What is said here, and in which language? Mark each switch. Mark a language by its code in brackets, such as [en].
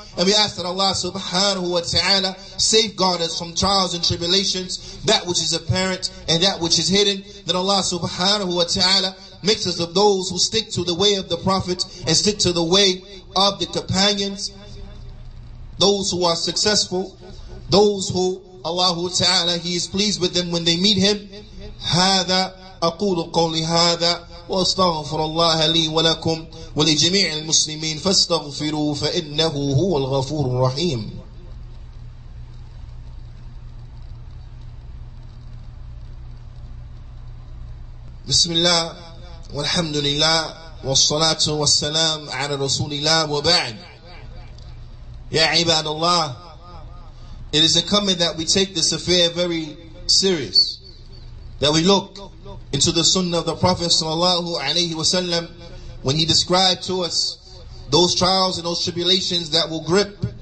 [en] And we ask that Allah subhanahu wa ta'ala safeguard us from trials and tribulations, that which is apparent and that which is hidden. That Allah subhanahu wa ta'ala makes us of those who stick to the way of the Prophet and stick to the way of the companions, those who are successful, those who Allah ta'ala, He is pleased with them when they meet Him. [ar] هذا أقول قولي هذا وأستغفر الله لي ولكم ولجميع المسلمين فاستغفروا فإنه هو الغفور الرحيم. بسم الله والحمد لله والصلاة والسلام على رسول الله وبعد. يا عباد الله, [en] it is incumbent that we take this affair very serious, that we look into the sunnah of the Prophet sallallahu alaihi wasallam when he described to us those trials and those tribulations that will grip